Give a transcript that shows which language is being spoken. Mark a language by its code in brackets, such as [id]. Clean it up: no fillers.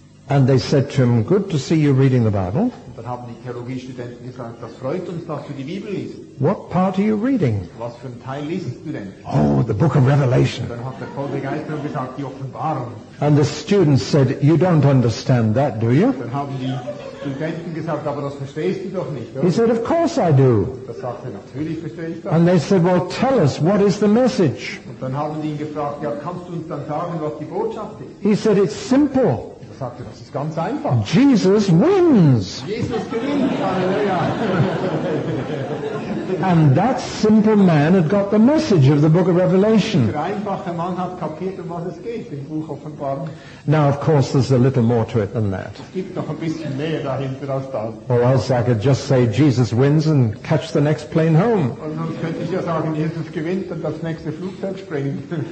[en] And they said to him, good to see you reading the Bible. [de] Dann haben die Theologiestudenten gesagt, das freut uns, dass du die Bibel liest. [en] What part are you reading? [de] Was für einen Teil liest du denn? [en] Oh, the book of Revelation. [de] Dann hat der voll begeistert gesagt, die Offenbarung. [en] And the students said, you don't understand that, do you? [de] Dann haben die Studenten gesagt, aber das verstehst du doch nicht, oder? [en] He said, of course I do. [de] Das sagt er, natürlich verstehe ich das. [en] And they said, well, tell us, what is the message? [de] Und dann haben die ihn gefragt, ja, kannst du uns dann sagen, was die Botschaft ist? [en] He said, it's simple. [de] Das ist ganz einfach. [en] Jesus wins. [de] Jesus gewinnt. Halleluja. [en] And that simple man had got the message of the book of Revelation. [de] Der einfache Mann hat kapiert, um was es geht im Buch Offenbarung. [en] Now, of course, there's a little more to it than that. [de] Es gibt noch ein bisschen mehr dahinter als das. [en] Or else I could just say Jesus wins and catch the next plane home. [de] Und sonst könnte ich ja sagen, Jesus gewinnt und das nächste Flugzeug springt.